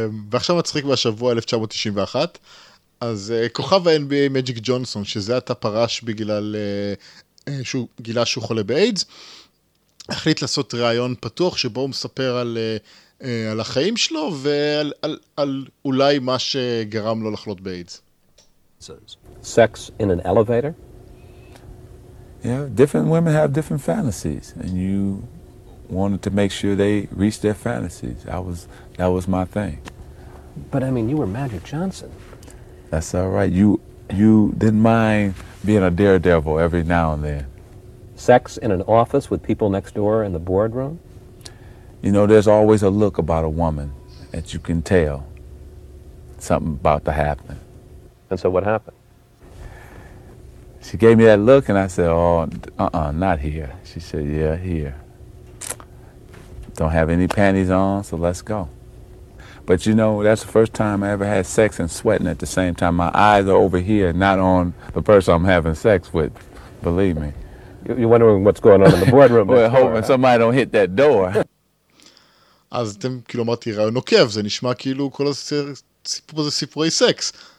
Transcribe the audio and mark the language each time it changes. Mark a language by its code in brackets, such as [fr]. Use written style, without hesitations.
[he] ועכשיו מצחיק בשבוע 1991, אז כוכב ה-NBA מג'יק ג'ונסון, שזה אתה פרש בגלל שהוא גילה שהוא חולה באיידס, החליט לעשות רעיון פתוח שבו הוא מספר על... על החיים שלו ועל על, על אולי מה שגרם לו לחלות באיידס. [en] Sex in an elevator? Yeah, different women have different fantasies and you wanted to make sure they reach their fantasies. That was my thing. But I mean you were Magic Johnson. That's all right. You didn't mind being a daredevil every now and then. Sex in an office with people next door in the boardroom? You know, there's always a look about a woman that you can tell something about to happen. And so what happened? She gave me that look and I said, oh, not here. She said, yeah, here. Don't have any panties on, so let's go. But you know, that's the first time I ever had sex and sweating at the same time. My eyes are over here, not on the person I'm having sex with, believe me. You're wondering what's going on in the boardroom. We're hoping somebody don't hit that door. [he] אז אתם, כאילו אמרתי, רעיון עוקב, זה נשמע כאילו כל הסיפור הזה סיפורי סקס.